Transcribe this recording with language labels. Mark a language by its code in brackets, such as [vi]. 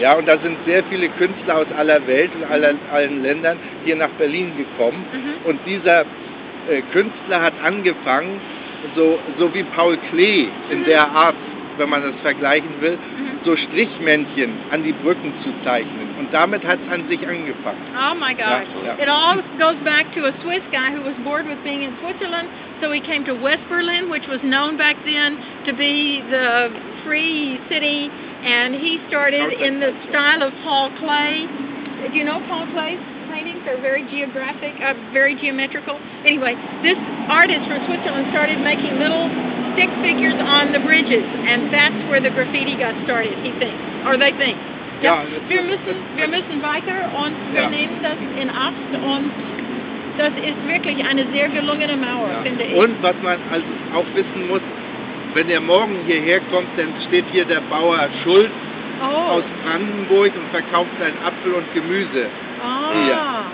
[de] Ja, und da sind sehr viele Künstler aus aller Welt und allen Ländern hier nach Berlin gekommen. Mhm. Und dieser Künstler hat angefangen, so wie Paul Klee in der Art, wenn man das vergleichen will, so Strichmännchen an die Brücken zu zeichnen. Und damit hat es an sich angefangen. [en] Oh my gosh. [de] Ja, ja. [en] It all goes back to a Swiss guy who was bored with being in Switzerland, so he came to West Berlin, which was known back then to be the free city, and he started in the style of Paul Klee. Do you know Paul Klee's paintings? They're very geographic, very geometrical. Anyway, this artist from Switzerland started making little stick figures on the bridges, and that's where the graffiti got started, he thinks, or they think. [de] Ja, wir müssen weiter und wir nehmen das in Acht und das ist wirklich eine sehr gelungene Mauer, finde ich. Und was man also auch wissen muss, wenn er morgen hierher kommt, dann steht hier der Bauer Schulz aus Brandenburg und verkauft seinen Apfel und Gemüse hier.